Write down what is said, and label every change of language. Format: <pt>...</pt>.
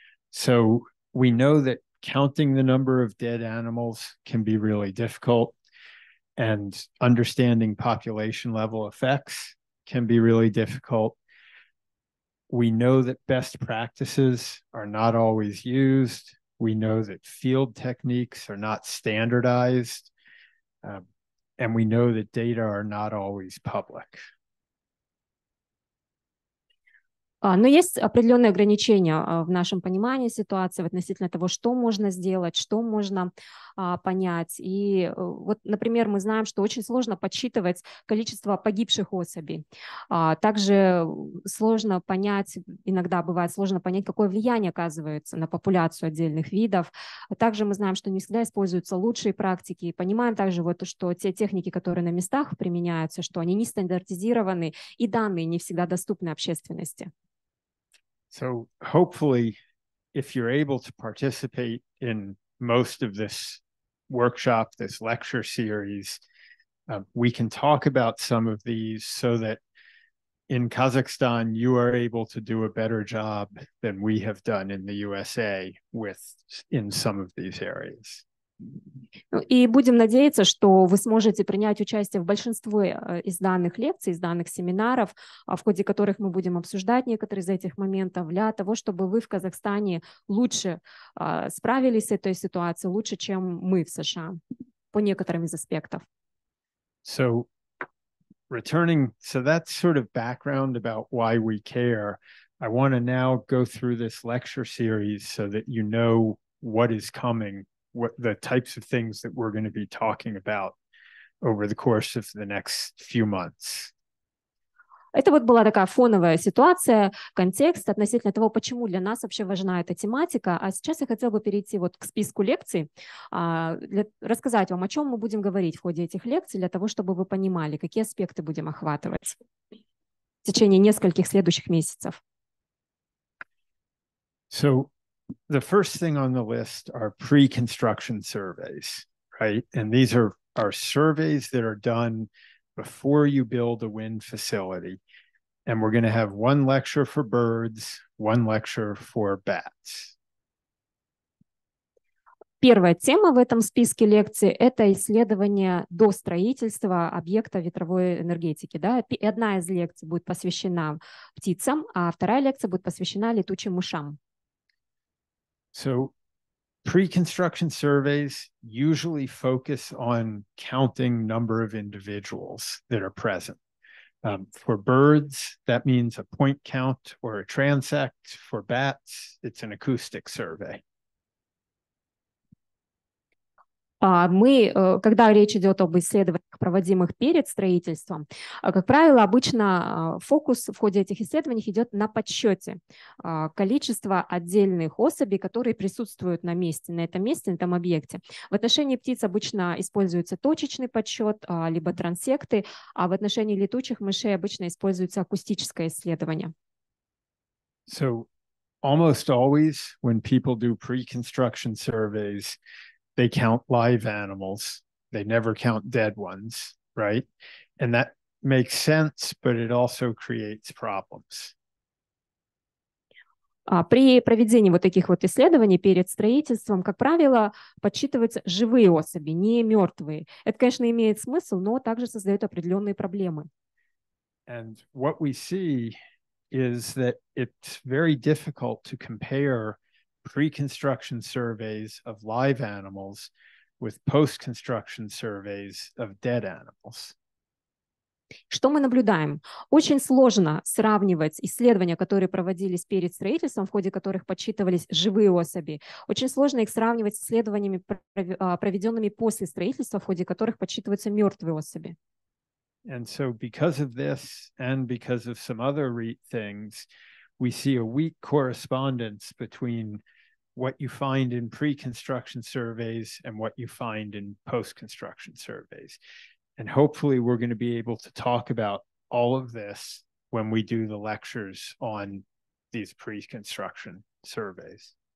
<en>So we know that counting the number of dead animals can be really difficult, and understanding population level effects can be really difficult. We know that best practices are not always used. We know that field techniques are not standardized. And we know that data are not always public.</en> <ru>Но есть определенные ограничения в нашем понимании ситуации относительно того, что можно сделать, что можно понять. И вот, например, мы знаем, что очень сложно подсчитывать количество погибших особей. Также сложно понять, иногда бывает сложно понять, какое влияние оказывается на популяцию отдельных видов. Также мы знаем, что не всегда используются лучшие практики. Понимаем также, вот, что те техники, которые на местах применяются, что они не стандартизированы, и данные не всегда доступны общественности.</ru> <en>So hopefully, if you're able to participate in most of this workshop, this lecture series, we can talk about some of these so that in Kazakhstan, you are able to do a better job than we have done in the USA with in some of these areas.</en> <ru>И будем надеяться, что вы сможете принять участие в большинстве из данных лекций, из данных семинаров, в ходе которых мы будем обсуждать некоторые из этих моментов, для того, чтобы вы в Казахстане лучше справились с этой ситуацией, лучше, чем мы в США, по некоторым из аспектов.</ru> <en>So, returning, so that's sort of background about why we care. I want to now go through this lecture series so that you know what is coming. What the types of things that we're going to be talking about over the course of the next few months.</en> <ru>Это вот была такая фоновая ситуация, контекст относительно того, почему для нас вообще важна эта тематика. А сейчас я хотела бы перейти вот к списку лекций, рассказать вам, о чем мы будем говорить в ходе этих лекций, для того, чтобы вы понимали, какие аспекты будем охватывать в течение нескольких следующих месяцев.</ru> <en>So, the first thing on the list are pre-construction surveys, right? And these are surveys that are done before you build a wind facility. And we're going to have one lecture for birds, one lecture for bats.</en> <ru>Первая тема в этом списке лекций – это исследование до строительства объекта ветровой энергетики. Да? Одна из лекций будет посвящена птицам, а вторая лекция будет посвящена летучим мышам.</ru> <en>So pre-construction surveys usually focus on counting number of individuals that are present. For birds, that means a point count or a transect. For bats, it's an acoustic survey.</en> <ru>Мы, когда речь идет об исследованиях, проводимых перед строительством, как правило, обычно фокус в ходе этих исследований идет на подсчете количества отдельных особей, которые присутствуют на месте, на этом месте, на этом объекте. В отношении птиц обычно используется точечный подсчет, либо трансекты, а в отношении летучих мышей обычно используется акустическое исследование.</ru> <en>So, almost always, when people do pre-construction surveys, they count live animals. They never count dead ones, right? And that makes sense, but it also creates problems.</en> <ru>При проведении вот таких вот исследований перед строительством, как правило, подсчитываются живые особи, не мертвые. Это, конечно, имеет смысл, но также создает определенные проблемы.</ru> <en>And what we see is that it's very difficult to compare pre-construction surveys of live animals with post-construction surveys of dead animals.</en> <ru>Что мы наблюдаем? Очень сложно сравнивать исследования, которые проводились перед строительством, в ходе которых подсчитывались живые особи. Очень сложно их сравнивать с исследованиями, проведенными после строительства, в ходе которых подсчитываются мертвые особи.</ru> <en>And so because of this and because of some other things, we see a weak correspondence between what you find in pre-construction surveys and what you find in post-construction surveys. And hopefully we're going to be able to talk about all of this when we do the lectures on these pre-construction surveys.</en>